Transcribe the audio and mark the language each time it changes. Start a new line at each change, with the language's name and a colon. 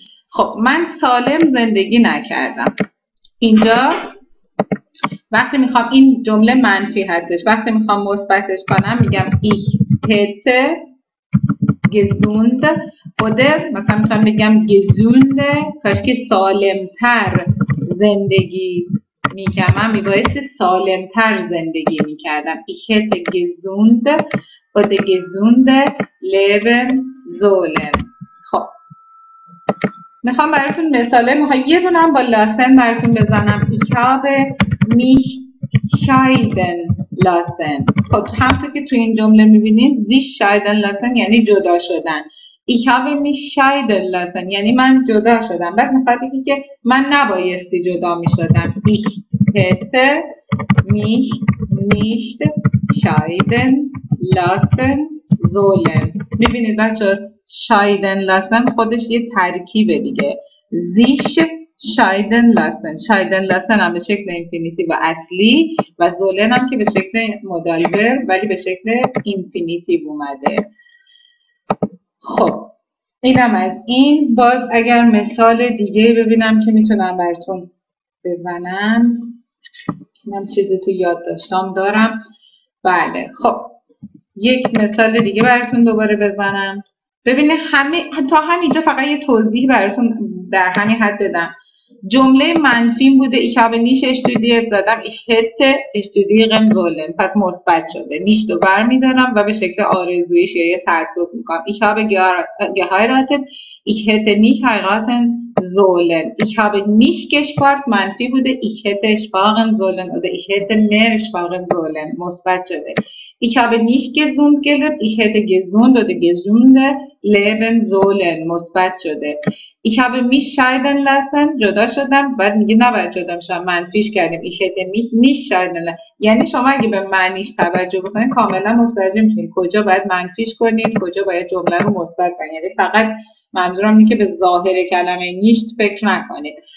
Persian: خب من سالم زندگی نکردم. اینجا وقتی میخوام این جمله منفی هستش، وقتی میخوام مثبتش کنم میگم
German: ich hätte gesund oder،
Persian: مثلا میتونم بگم gesund، کاشکی سالمتر زندگی میکردم، من میبایستی سالمتر زندگی میکردم.
German: ich hätte gesund oder gesund leben sollen.
Persian: میخوام براتون مثاله میخوام یه دونم با لاسن براتون بزنم.
German: ich habe mich scheiden lassen.
Persian: خب همطور که تو این جمله میبینید
German: sich scheiden lassen
Persian: یعنی جدا شدن.
German: ich habe mich scheiden lassen
Persian: یعنی من جدا شدم. بعد میخواد بگی که من نبایستی جدا میشدم.
German: ich hätte mich nicht scheiden lassen sollen.
Persian: میبینید بچه‌ها شایدن لسن خودش یه ترکیبه دیگه. زیش شایدن لسن. شایدن لسن هم به شکل اینفینیتی و اصلی و زولن هم که به شکل مودال ورب ولی به شکل اینفینیتی اومده. خب اینم از این. باز اگر مثال دیگه ببینم که میتونم براتون بزنم. من چیزی تو یاد داشتم دارم. بله خب یک مثال دیگه براتون دوباره بزنم. ببینید همه تا همینجا فقط یه توضیح براتون در همین حد بدم. جمله منفیم بوده
German: ich habe nicht studiert
Persian: زدم
German: ich hätte studieren sollen،
Persian: پس مثبت شده. nicht رو برمی‌دارم و به شکل آرزویش یا یه تأسف می‌کنم.
German: ich habe geheiratet ich hätte nicht heiraten sollen. ich habe nicht gespart
Persian: منفی بوده
German: ich hätte sparen sollen oder ich hätte mehr sparen sollen،
Persian: مثبت شده.
German: ich habe nicht gesund gelebt ich hätte gesund oder gesunde leben sollen،
Persian: مثبت شده.
German: ich habe mich scheiden lassen
Persian: جدا شدم، بعد میگه نباید جدا میشم منفیش کردیم.
German: ich hätte mich nicht scheiden lassen
Persian: یعنی شما اگه به معنیش توجه بکنید کاملا متوجه میشین کجا باید منفیش کنید کجا باید جمله رو مثبت کنید. یعنی فقط منظورم اینه که به ظاهر کلمه nicht فکر نکنید.